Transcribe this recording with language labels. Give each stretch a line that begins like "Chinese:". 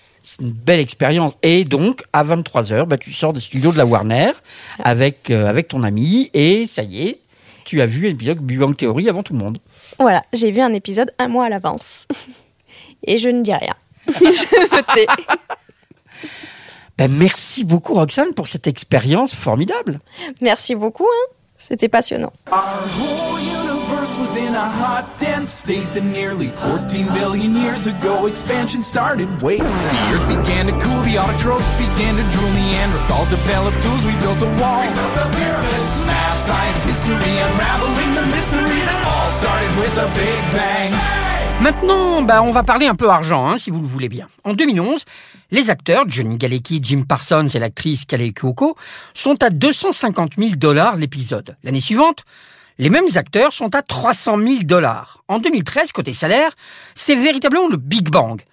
French: C'est une belle expérience. Et donc, à 23h, tu sors des studios de la Warner avec ton ami et ça y est, tu as vu un épisode Big Bang Theory avant tout le monde. Voilà, j'ai vu un épisode un mois à l'avance. Et je ne dis rien. Je me tais. Ben merci beaucoup, Roxane, pour cette expérience formidable. Merci beaucoup. Hein. C'était passionnant.
English: Our whole universe was in a hot, dense state that nearly 14 billion years ago expansion started. Wait, the earth began to cool, the autotrophs began to drool, Neanderthals developed tools, we built a wall. We built the pyramids, math, science, history, unraveling the mystery that all started with a big bang.
French: Maintenant, on va parler un peu argent, si vous le voulez bien. En 2011, les acteurs Johnny Galecki, Jim Parsons et l'actrice Kelly Cuoco sont à 250 000 dollars l'épisode. L'année suivante, les mêmes acteurs sont à 300 000 dollars. En 2013, côté salaire, c'est véritablement le Big Bang.